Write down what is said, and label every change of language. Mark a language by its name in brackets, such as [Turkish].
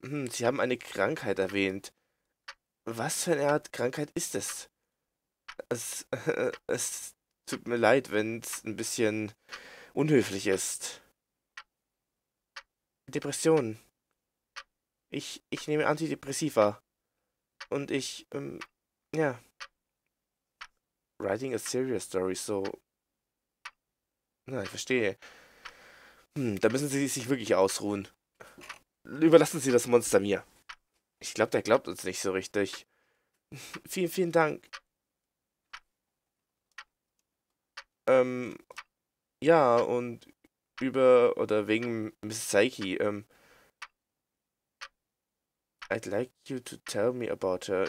[German] Sie haben eine Krankheit erwähnt. Was für eine Art Krankheit ist es? Es tut mir leid, wenn es ein bisschen unhöflich ist. Depression. Ich nehme Antidepressiva. Und ich, ja. [English] Writing a serious story, so. [German] Na, ich verstehe. Da müssen Sie sich wirklich ausruhen. Überlassen Sie das Monster mir. Ich glaube, der glaubt uns nicht so richtig. Vielen, vielen Dank. Ja, und über oder wegen Miss Psyche, [English] I'd like you to tell me about her.